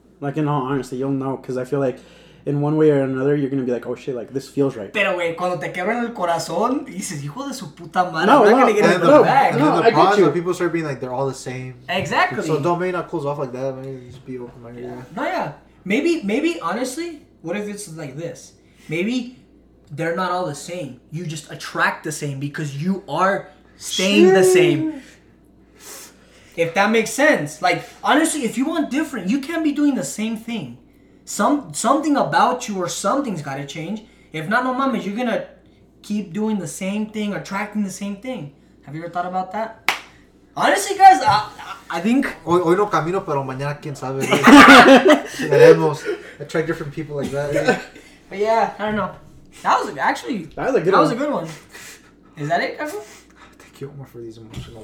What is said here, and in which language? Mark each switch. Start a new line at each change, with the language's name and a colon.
English: Like, in all honesty, you'll know. Because I feel like, in one way or another, you're going to be like, oh shit, like, this feels right.
Spanish: Pero, güey, cuando te quebran el corazón, dices, hijo de su puta madre, no,
English: I'm not going to get it back. No, and then the pause, where people start being like, they're all the same. Exactly. So don't maybe not close off like that. Maybe just be open-minded. Yeah. No, yeah. Maybe, honestly, what if it's like this? Maybe they're not all the same. You just attract the same because you are staying the same. If that makes sense. Like, honestly, if you want different, you can't be doing the same thing. Something about you or something's got to change. If not,
Spanish: no mames,
English: you're going to keep doing the same thing, attracting the same thing. Have you ever thought about that? Honestly, guys, I think...
Spanish: Hoy no camino, pero mañana, quién sabe. Veremos.
English: Attract different people like that. Yeah. But yeah, I don't know. That was a good one. Is that it, Carlos? More for these emotional